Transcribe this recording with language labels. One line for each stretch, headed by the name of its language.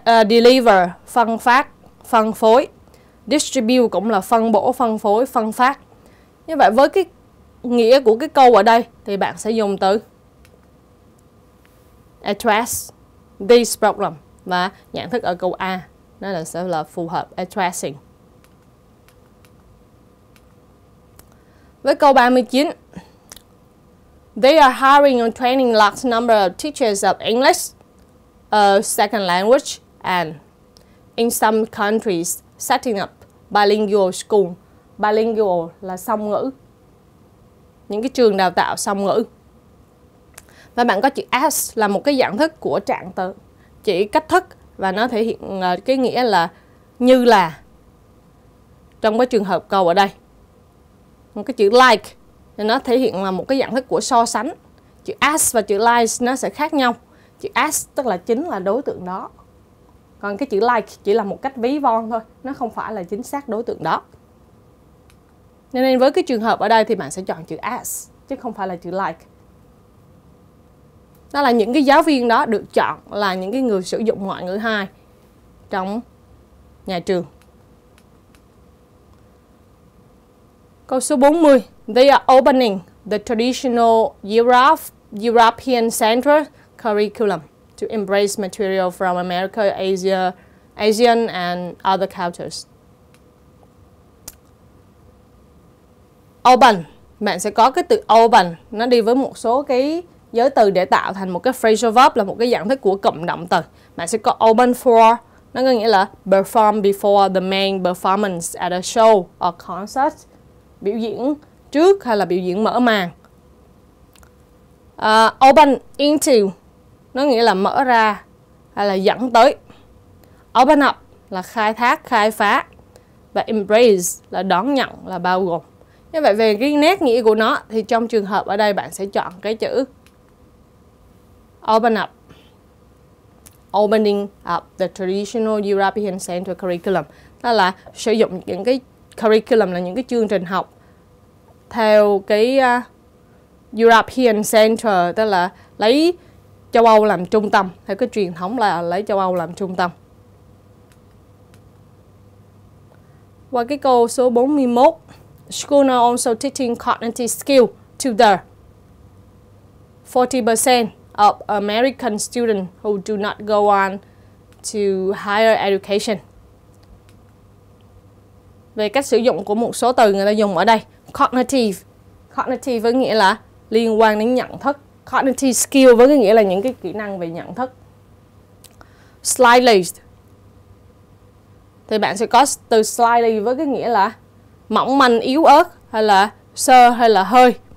Vietnamese: Deliver, phân phát, phân phối. Distribute cũng là phân bổ, phân phối, phân phát. Như vậy với cái nghĩa của cái câu ở đây thì bạn sẽ dùng từ
English: address this problem,
Vietnamese: và nhận thức ở câu A nó là sẽ là phù hợp addressing. Với câu 39,
English: they are hiring and training large number of teachers of English, a second language, and in some countries setting up bilingual school.
Vietnamese: Bilingual là song ngữ. Những cái trường đào tạo song ngữ. Và bạn có chữ S là một cái dạng thức của trạng từ, chỉ cách thức và nó thể hiện cái nghĩa là như là trong cái trường hợp câu ở đây. Một cái chữ like thì nó thể hiện là một cái dạng thức của so sánh. Chữ S và chữ like nó sẽ khác nhau. Chữ S tức là chính là đối tượng đó. Còn cái chữ like chỉ là một cách ví von thôi, nó không phải là chính xác đối tượng đó. Nên với cái trường hợp ở đây thì bạn sẽ chọn chữ as chứ không phải là chữ like. Đó là những cái giáo viên đó được chọn là những cái người sử dụng ngoại ngữ 2 trong nhà trường. Câu số 40.
English: They are opening the traditional European center curriculum to embrace material from America, Asia, Asian and other cultures.
Vietnamese: Open, bạn sẽ có cái từ open, nó đi với một số cái giới từ để tạo thành một cái phrasal verb, là một cái dạng thức của cụm động từ. Bạn sẽ có open for, nó có nghĩa là
English: perform before the main performance at a show or concert,
Vietnamese: biểu diễn trước hay là biểu diễn mở màn. Open into, nó nghĩa là mở ra hay là dẫn tới. Open up là khai thác, khai phá. Và embrace là đón nhận, là bao gồm. Như vậy về cái nét nghĩa của nó thì trong trường hợp ở đây bạn sẽ chọn cái chữ open up,
English: opening up the traditional European center curriculum.
Vietnamese: Đó là sử dụng những cái curriculum, là những cái chương trình học theo cái European center, tức là lấy châu Âu làm trung tâm, theo cái truyền thống là lấy châu Âu làm trung tâm. Qua cái câu số 41,
English: school are also teaching cognitive skill to the 40% of American students who do not go on to higher education.
Vietnamese: Về cách sử dụng của một số từ người ta dùng ở đây, cognitive. Cognitive với nghĩa là liên quan đến nhận thức. Cognitive skill với nghĩa là những cái kỹ năng về nhận thức. Slightly. Thì bạn sẽ có từ slightly với cái nghĩa là mỏng manh, yếu ớt, hay là sơ, hay là hơi.